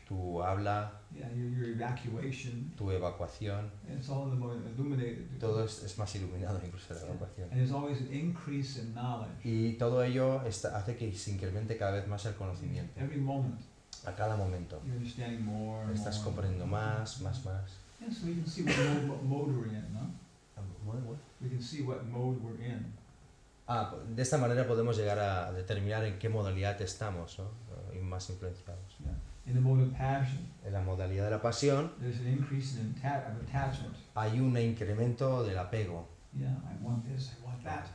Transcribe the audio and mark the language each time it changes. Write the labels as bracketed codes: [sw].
[es] Tu habla. [en] Yeah, your evacuation. [es] Tu evacuación. [en] It's all in the mode illuminated. [es] Todo es más iluminado, incluso la evacuación. [en] And there's always an increase in knowledge. [es] Y todo ello hace que se incremente cada vez más el conocimiento. [en] Every moment. [es] A cada momento. [en] You're understanding more. And [es] estás [en] more [es] comprendiendo más, [en] more. [es] más. [en] Yeah, so we can see what mode we're in, no? What? We can see what mode we're in. [es] Ah, de esta manera podemos llegar a determinar en qué modalidad estamos, ¿no? Y más influenciados. [en] Yeah. In the mode of passion, [es] en la modalidad de la pasión, [en] there's an increase in of attachment. [es] Hay un incremento del apego. [en] Yeah, I want this, I want that.